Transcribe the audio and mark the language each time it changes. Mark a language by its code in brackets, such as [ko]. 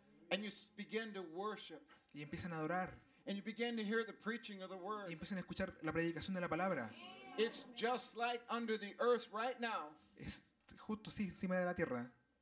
[en] and you begin to worship, [es] y empiezan a adorar. [en] And you begin to hear the preaching of the word. [es] Y empiezan a escuchar la predicación de la palabra. [en] It's just like under the earth right now. [es] Es justo así encima de la tierra.